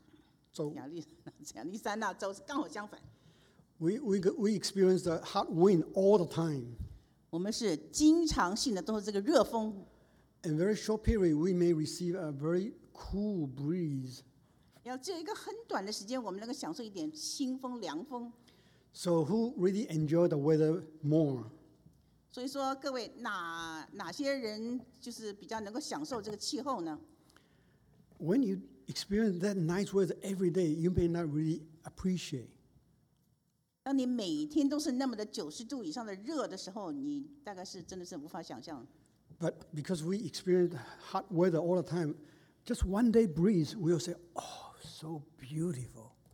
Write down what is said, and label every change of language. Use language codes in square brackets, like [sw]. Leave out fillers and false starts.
[zh] 但在亚利桑那州刚好相反。 [en] We experience the hot wind all the time. [zh] 我们是经常性的都是这个热风。 [en] In a very short period, we may receive a very cool breeze. [zh] 要只有一个很短的时间，我们能够享受一点清风凉风。 [en] So who really enjoy the weather more? [zh] 所以说各位哪些人就是比较能够享受这个气候呢？ [en] When you experience that nice weather every day, you may not really appreciate. [zh] 当你每天都是那么的90度以上的热的时候，你大概是真的是无法想象。 [en] But because we experience hot weather all the time, just one day breeze, we'll say, oh, so beautiful.